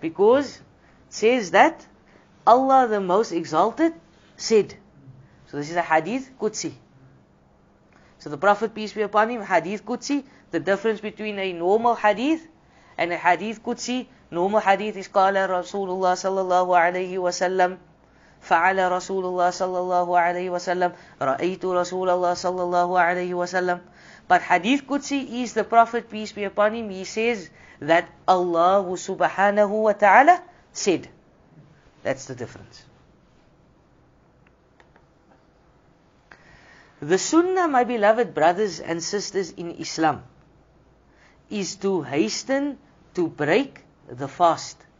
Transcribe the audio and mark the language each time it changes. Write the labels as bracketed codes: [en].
[en] Because it says that Allah the Most Exalted said. So this is a hadith Qudsi. So the Prophet, peace be upon him, hadith Qudsi. The difference between a normal hadith and a hadith Qudsi. Normal hadith is [ar] qala Rasulullah sallallahu alayhi wa sallam. فعل رسول الله صلى الله عليه وسلم رأيت رسول الله صلى الله عليه وسلم. [en] But hadith Qudsi is the Prophet, peace be upon him, he says that Allah subhanahu wa ta'ala said. That's the difference. The sunnah, my beloved brothers and sisters in Islam, is to hasten to break the fast.